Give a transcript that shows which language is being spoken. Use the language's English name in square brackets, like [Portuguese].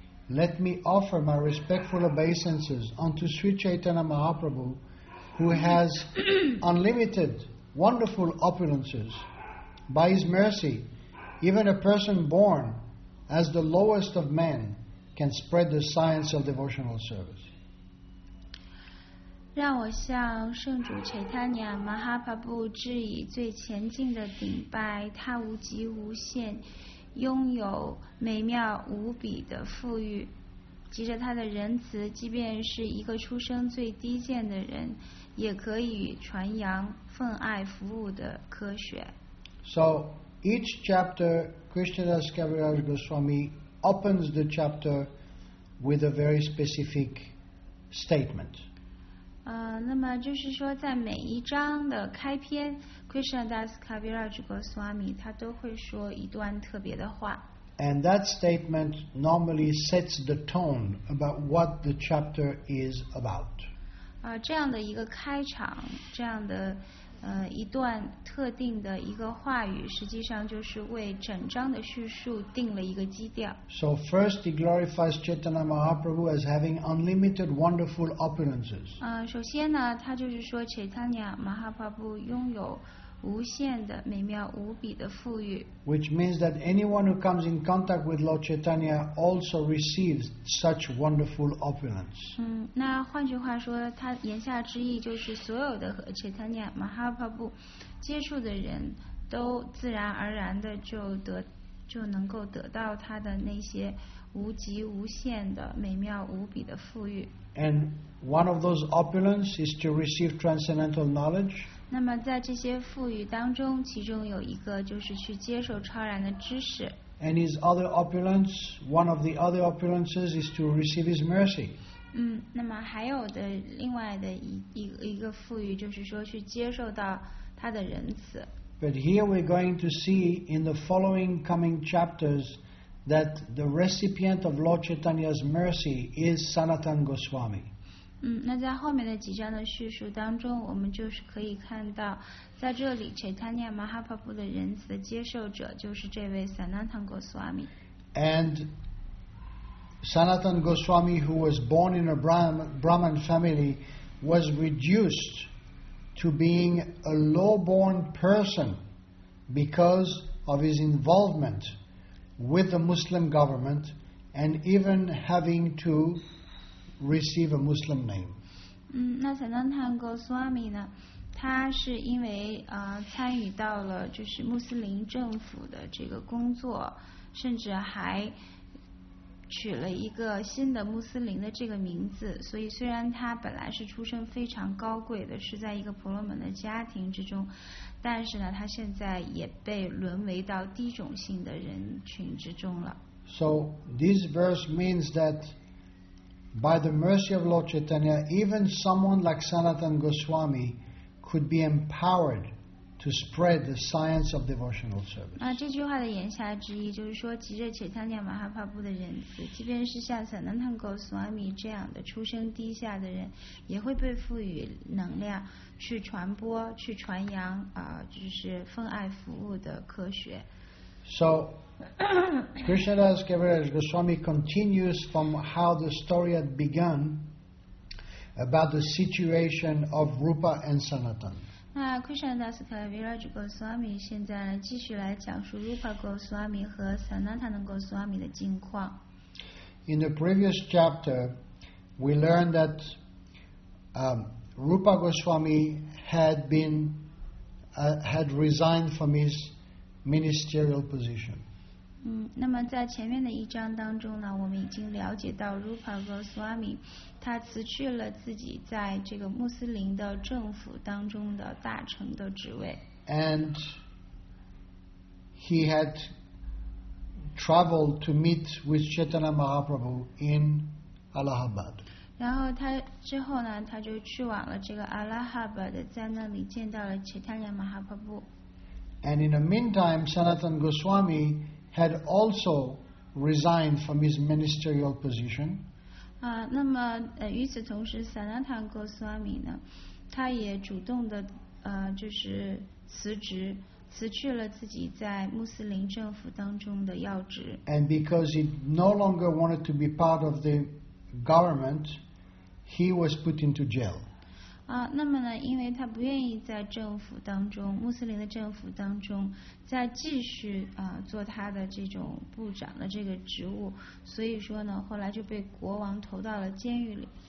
[English] Let me offer my respectful obeisances unto Sri Chaitanya Mahaprabhu, who has unlimited wonderful opulences. By his mercy, even a person born as the lowest of men can spread the science of devotional service. [Chinese] 让我向圣主 Chaitanya Mahaprabhu 致以最前进的顶拜，他无极无限，拥有美妙无比的富裕。急着他的仁慈，即便是一个出生最低贱的人，也可以传扬奉爱服务的科学。 [English] So each chapter, Krishnadas Kaviraj Goswami opens the chapter with a very specific statement. [Chinese] 那么就是说，在每一章的开篇 ，Krishnadas Kaviraj Goswami 他都会说一段特别的话。 [English] And that statement normally sets the tone about what the chapter is about. [Chinese] 这样的一个开场，这样的一段特定的一个话语，实际上就是为整章的叙述定了一个基调。 [English] So first, he glorifies Chaitanya Mahaprabhu as having unlimited wonderful opulences. [Chinese] 首先呢，他就是说 Chaitanya Mahaprabhu 拥有无限的美妙无比的富裕。 [English] Which means that anyone who comes in contact with Lord Chaitanya also receives such wonderful opulence. [Chinese] 那换句话说，他言下之意就是所有的和 Chaitanya Mahaprabhu 接触的人都自然而然的就能够得到他的那些无极无限的美妙无比的富裕。 [English] And one of those opulence is to receive transcendental knowledge. [Chinese] 那么在这些富裕当中，其中有一个就是去接受超然的知识。 [English] And his other opulence, one of the other opulences is to receive his mercy. [Chinese] 那么还有的另外的一个富裕就是说去接受到他的仁慈。 [English] But here we're going to see in the following coming chapters that the recipient of Lord Chaitanya's mercy is Sanatana Goswami. [Chinese] 那在后面的几章的叙述当中，我们就是可以看到，在这里 Chaitanya Mahaprabhu 的仁慈的接受者就是这位 Sanatana Goswami. [English] And Sanatana Goswami, who was born in a Brahmin family, was reduced to being a low-born person because of his involvement with the Muslim government and even having to receive a Muslim name. [Chinese] 那 Sanatana Goswami 呢，他是因为参与到了就是穆斯林政府的这个工作，甚至还取了一个新的穆斯林的这个名字，所以虽然他本来是出身非常高贵的，是在一个婆罗门的家庭之中，但是呢，他现在也被沦为到低种姓的人群之中了。 [English] So this verse means that by the mercy of Lord Chaitanya, even someone like Sanatana Goswami could be empowered to spread the science of devotional service. [Chinese] 这句话的言下之意就是说，急着且贪念马哈帕布的仁慈，即便是像萨南坦戈斯瓦米这样的出生低下的人，也会被赋予能量去传播、去传扬就是奉爱服务的科学。 [English] So, Krishnadas Kaviraj Goswami continues from how the story had begun about the situation of Rupa and Sanatan. [Chinese] 那 Krishnadas Kaviraj Goswami 现在继续来讲述 Rupa Goswami 和 Sanatana Goswami 的近况。 [English] In the previous chapter, we learned that Rupa Goswami had resigned from his ministerial position. [Chinese] 那么在前面的一章当中呢，我们已经了解到 Rupa Goswami 他辞去了自己在这个穆斯林的政府当中的大臣的职位。 [English] And he had traveled to meet with Chaitanya Mahaprabhu in Allahabad. [Chinese] 然后他之后呢，他就去往了这个 Allahabad， 在那里见到了 Chaitanya Mahaprabhu。 [English] And in the meantime, Sanatana Goswami had also resigned from his ministerial position. [Chinese] 那么与此同时 ，Sanatana Goswami 呢，他也主动的就是辞职，辞去了自己在穆斯林政府当中的要职。 [English] And because he no longer wanted to be part of the government, he was put into jail. [Chinese] 那么呢，因为他不愿意在政府当中，穆斯林的政府当中，再继续做他的这种部长的这个职务，所以说呢，后来就被国王投到了监狱里。